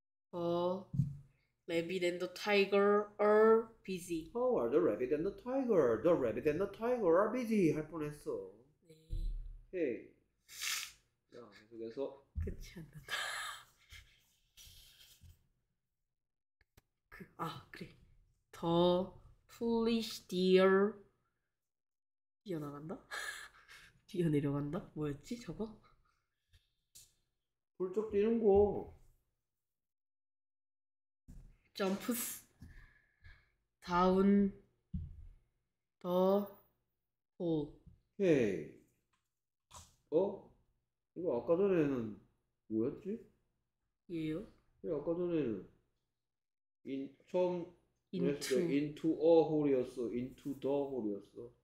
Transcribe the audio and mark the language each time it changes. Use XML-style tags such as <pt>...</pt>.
<en>더 래빗 앤더 타이거 are busy. How are the rabbit and the tiger? The rabbit and the tiger are busy.</en> <ko>할 뻔했어. 헤이. 자, 계속해서. 끝이 안 난다. 아, 그래.</ko> <en>더 foolish deer</en> <ko>뛰어나간다? 뛰어내려간다? 뭐였지, 저거? 훌쩍 뛰는 거.</ko> <en>jumps down the hole.</en> <ko>헤이. 어? 이거 아까 전에는 뭐였지? 예요. 아까 전에는 처음 했을 때</ko> <en>into into a hole이었어. into the hole이었어.</en>